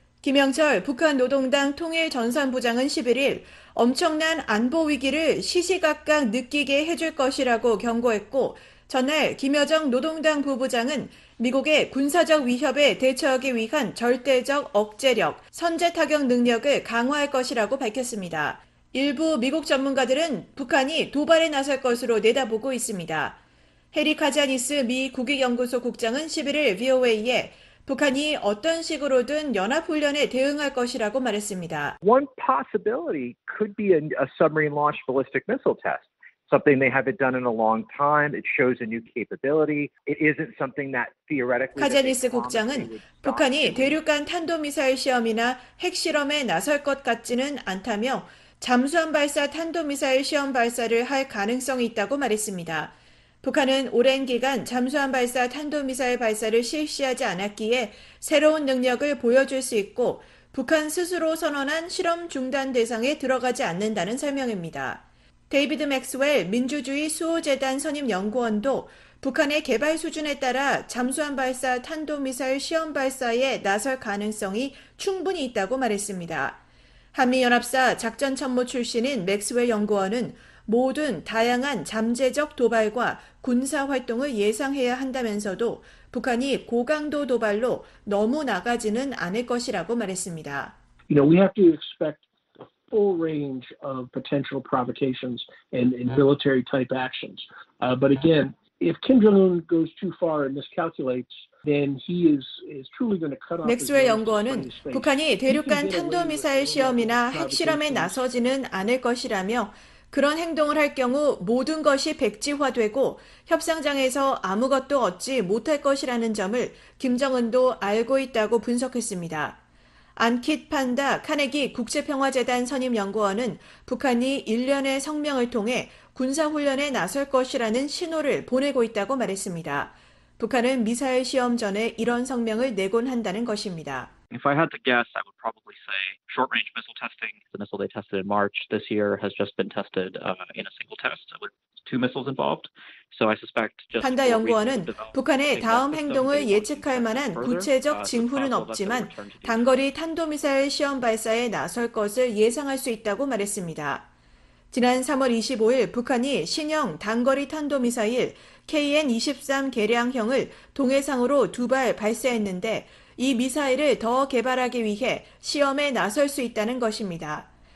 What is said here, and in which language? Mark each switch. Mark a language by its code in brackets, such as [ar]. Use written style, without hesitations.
[ko] 김영철 북한 노동당 통일전선부장은 11일 엄청난 안보 위기를 시시각각 느끼게 해줄 것이라고 경고했고 전날 김여정 노동당 부부장은 미국의 군사적 위협에 대처하기 위한 절대적 억제력, 선제타격 능력을 강화할 것이라고 밝혔습니다. 일부 미국 전문가들은 북한이 도발에 나설 것으로 내다보고 있습니다. 해리 카자니스 미 국익연구소 국장은 11일 VOA에 북한이 어떤 식으로든 연합훈련에 대응할 것이라고 말했습니다. [en] One possibility could be a submarine launch ballistic missile test. Something they haven't done in a long time. It shows a new capability. It isn't something that theoretically. [ko] 카자니스 국장은 북한이 대륙간 탄도미사일 시험이나 핵실험에 나설 것 같지는 않다며 잠수함 발사 탄도미사일 시험 발사를 할 가능성이 있다고 말했습니다. 북한은 오랜 기간 잠수함 발사 탄도미사일 발사를 실시하지 않았기에 새로운 능력을 보여줄 수 있고 북한 스스로 선언한 실험 중단 대상에 들어가지 않는다는 설명입니다. 데이비드 맥스웰 민주주의 수호재단 선임연구원도 북한의 개발 수준에 따라 잠수함 발사 탄도미사일 시험 발사에 나설 가능성이 충분히 있다고 말했습니다. 한미연합사 작전참모 출신인 맥스웰 연구원은 모든 다양한 잠재적 도발과 군사활동을 예상해야 한다면서도 북한이 고강도 도발로 너무 나가지는 않을 것이라고 말했습니다. [en] You know, we have to expect a full range of potential provocations and military type actions. But again, if Kim Jong-un goes too far and miscalculates, then he is truly going to cut off. [ko] 맥스웰 연구원은 북한이 대륙간 탄도미사일 시험이나 핵실험에 나서지는 않을 것이라며 그런 행동을 할 경우 모든 것이 백지화되고 협상장에서 아무것도 얻지 못할 것이라는 점을 김정은도 알고 있다고 분석했습니다. 안킷 판다 카네기 국제평화재단 선임연구원은 북한이 일련의 성명을 통해 군사훈련에 나설 것이라는 신호를 보내고 있다고 말했습니다. 북한은 미사일 시험 전에 이런 성명을 내곤 한다는 것입니다. [en] If I had to guess, I would probably say short-range missile testing. The missile they tested in March this year has just been tested in a single test with two missiles involved. So I suspect just. [ko] 판다 연구원은 북한의 다음 행동을 예측할 만한 구체적 징후는 없지만 단거리 탄도미사일 시험 발사에 나설 것을 예상할 수 있다고 말했습니다. 지난 3월 25일 북한이 신형 단거리 탄도미사일 KN-23 개량형을 동해상으로 두 발 발사했는데 이 미사일을 더 개발하기 위해 시험에 나설 수 있다는 것입니다.